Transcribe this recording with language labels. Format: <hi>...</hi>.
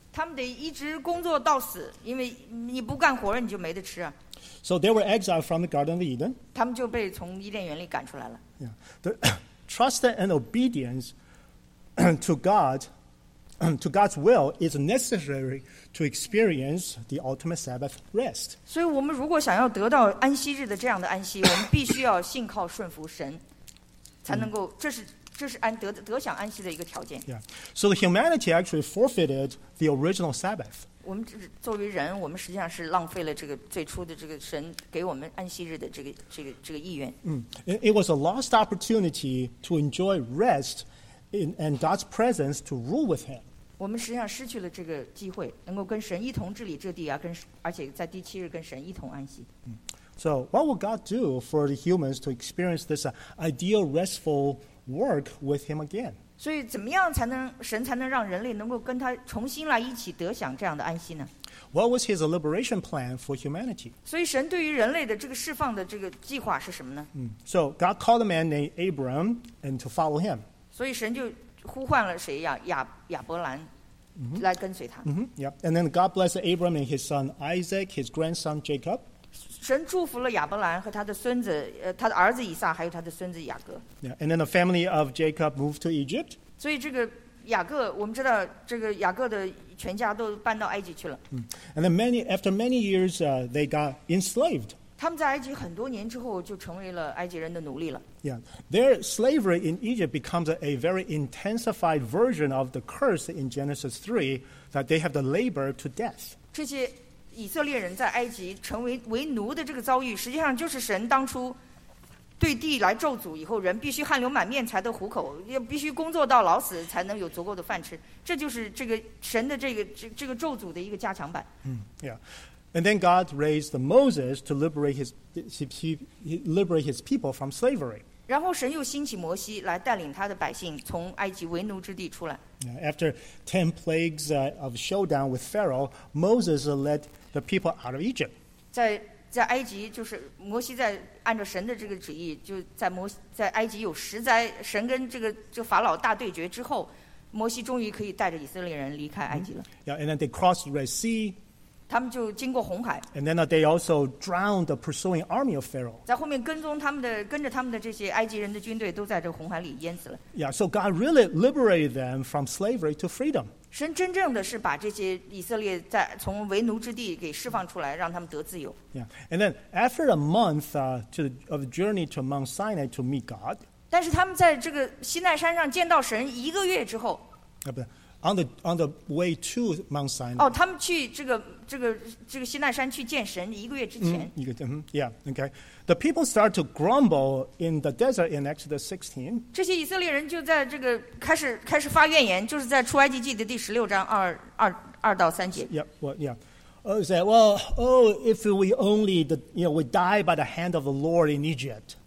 <zh>他们得一直工作到死，因为你不干活你就没得吃啊。</zh> <en>So they were exiled from the Garden of Eden.</en> <zh>他们就被从伊甸园里赶出来了。</zh> <en>Yeah. The trust and obedience to God to God's will is necessary to experience the ultimate Sabbath rest.</en> <zh>所以我们如果想要得到安息日的这样的安息，我们必须要信靠顺服神，才能够这是安得享安息的一个条件。</zh> <en>Yeah. So the humanity actually forfeited the original Sabbath.</en> <zh>我们作为人，我们实际上是浪费了这个最初的这个神给我们安息日的这个意愿。</zh> <en>It was a lost opportunity to enjoy rest. And God's presence to rule with him.</en> <zh>我们实际上失去了这个机会，能够跟神一同治理这地啊，跟而且在第七日跟神一同安息。</zh> <en>So what will God do for the humans to experience this ideal restful work with Him again?</en> <zh>所以怎么样才能神才能让人类能够跟他重新来一起得享这样的安息呢？</zh> <en>What was His liberation plan for humanity?</en> <zh>所以神对于人类的这个释放的这个计划是什么呢？</zh> <en>So God called a man named Abram and to follow him.</en> <zh>所以神就呼唤了谁呀？亚伯兰来跟随他。</zh> <en>And then God blessed Abram and his son Isaac, his grandson Jacob.</en> <zh>神祝福了亚伯兰和他的孙子，他的儿子以撒，还有他的孙子雅各。</zh> <en>Yeah. And then the family of Jacob moved to Egypt.</en> <zh>所以这个雅各，我们知道这个雅各的全家都搬到埃及去了。</zh> <en>And then after many years, they got enslaved.</en> <zh>他们在埃及很多年之后就成为了埃及人的奴隶了。</zh> <en>Yeah, their slavery in Egypt becomes a very intensified version of the curse in Genesis 3 that they have to labor to death.</en> <zh>这些以色列人在埃及成为奴的这个遭遇，实际上就是神当初对地来咒诅以后，人必须汗流满面才得糊口，也必须工作到老死才能有足够的饭吃。这就是这个神的这个咒诅的一个加强版。</zh> <en>Yeah. And then God raised Moses to liberate his people from slavery.</en> <zh>然后神又兴起摩西来带领他的百姓从埃及为奴之地出来。</zh> <en>After 10 plagues of showdown with Pharaoh, Moses led the people out of Egypt.</en> <zh>在埃及就是摩西在按照神的这个旨意，就在埃及有十灾，神跟这个法老大对决之后，摩西终于可以带着以色列人离开埃及了。</zh> <en>Yeah, and then they crossed the Red Sea.</en> <zh>他们就经过红海。</zh> <en>And then they also drowned the pursuing army of Pharaoh.</en> <zh>在后面跟着他们的这些埃及人的军队都在这红海里淹死了。</zh> <en>Yeah, so God really liberated them from slavery to freedom.</en> <zh>神真正的是把这些以色列在从为奴之地给释放出来，让他们得自由。</zh> <en>Yeah, and then after a month of journey to Mount Sinai to meet God.</en> <zh>但是他们在这个西奈山上见到神一个月之后。</zh> <en>On the way to Mount Sinai.</en> <zh>哦，他们去这个西奈山去见神一个月之前。</zh> <en>Yeah. Okay. The people start to grumble in the desert in Exodus 16.</en> <zh>这些以色列人就在这个开始发怨言，就是在出埃及记的第十六章二到三节。</zh> <en>Yeah. Well, yeah. Oh, say, well, oh, if we only we die by the hand of the Lord in Egypt.</en>